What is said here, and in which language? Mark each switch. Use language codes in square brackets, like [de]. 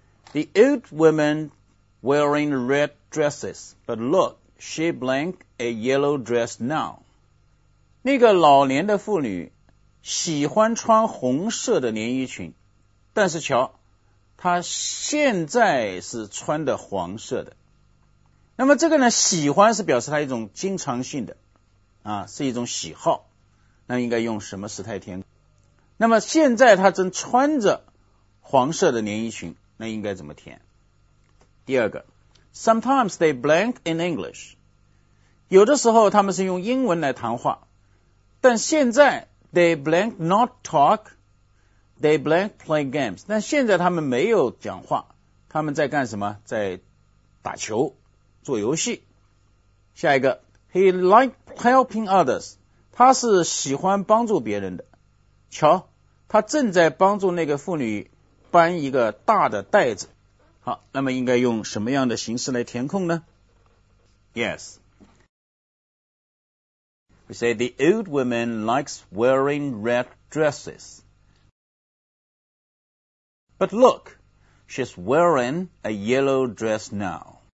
[en] The old woman wearing red dresses, but look, she blank a yellow dress now. [zh] 那个老年的妇女喜欢穿红色的连衣裙，但是瞧。他现在是穿的黄色的。那么这个呢，喜欢是表示他一种经常性的啊，是一种喜好。那应该用什么时态天？那么现在他正穿着黄色的连衣裙，那应该怎么填？第二个 [en] ，Sometimes they blank in English。 [zh] 有的时候他们是用英文来谈话，但现在 [en] they blank not talk, they blank play games。 [zh] 但现在他们没有讲话，他们在干什么？在打球，做游戏。下一个 ， [en] He likes helping others。 [zh] 他是喜欢帮助别人的。瞧，他正在帮助那个妇女搬一个大的袋子。好，那么应该用什么样的形式来填空呢？ [en] Yes. We say the old woman likes wearing red dresses. But look, she's wearing a yellow dress now.